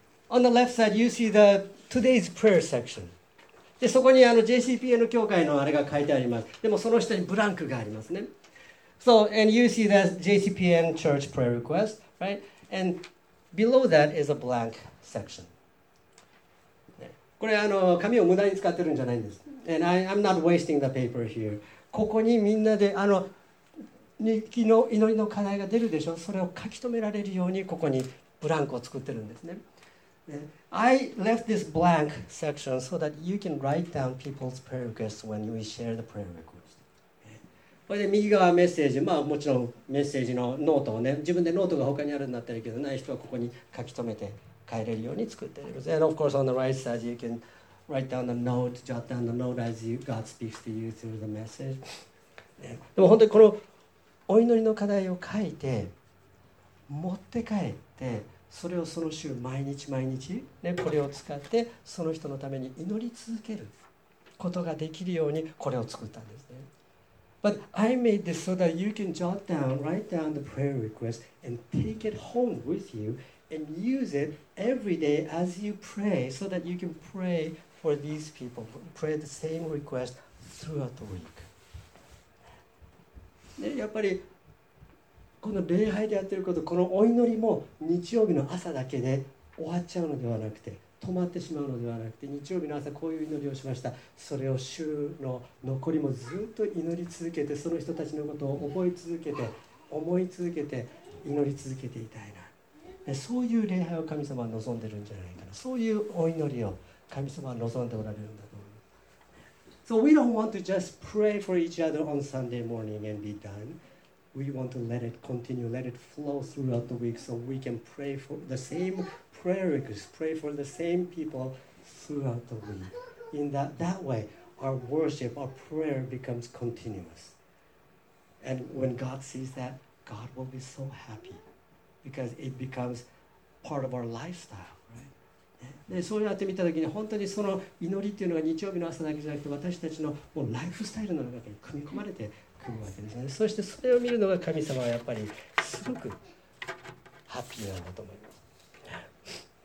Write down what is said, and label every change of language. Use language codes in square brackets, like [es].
[en] On the left side, you see the Today's prayer section. [ja] でそこにあの JCPN 教会のあれが書いてあります。でもその下にブランクがありますね。 [en] So and you see the JCPN church prayer request, right? And below that is a blank section. [ja] これあの紙を無駄に使ってるんじゃないんです。 [en] And I'm not wasting the paper here. [ja] ここにみんなであの日記の祈りの課題が出るでしょ。それを書き留められるようにここにブランクを作ってるんですね。 [en] I left this blank section so that you can write down people's prayer requests when we share the prayer request. [ja] これで右側メッセージ、まあもちろんメッセージのノートをね、自分でノートが他にあるんだったらいいけど、ない人はここに書き留めて。変えれるように作っています。 [en] And of course, on the right side, you can write down the note, jot down the note as you, God speaks to you through the message. [ja] でも本当にこのお祈りの課題を書いて持って帰って、それをその週毎日毎日、ね、これを使ってその人のために祈り続けることができるようにこれを作ったんですね。 [en] But I made this so that you can jot down, write down the prayer request and take it home with you. And use it every day as you pray, so that you can pray for these people. Pray the same request throughout the week. [ja] ね、やっぱりこの礼拝でやってること、このお祈りも日曜日の朝だけで終わっちゃうのではなくて、止まってしまうのではなくて、日曜日の朝こういう祈りをしました。それを週の残りもずっと祈り続けて、その人たちのことを覚え続けて、思い続けて、祈り続けていたいな。そういう礼拝を神様は望んでるんじゃないかな。そういうお祈りを神様は望んでおられるんだと思います。 [en] So we don't want to just pray for each other on Sunday morning and be done. We want to let it continue, let it flow throughout the week so we can pray for the same prayer requests, pray for the same people throughout the week. In that way, our worship, our prayer becomes continuous. And when God sees that, God will be so happy. Because it becomes part of our lifestyle, right? [ja] でそうやって見たときに本当にその祈りっていうのが日曜日の朝だけじゃなくて私たちのもうライフスタイルの中に組み込まれてくるわけですね。そしてそれを見るのが神様はやっぱりすごくハッピーなんだと思います。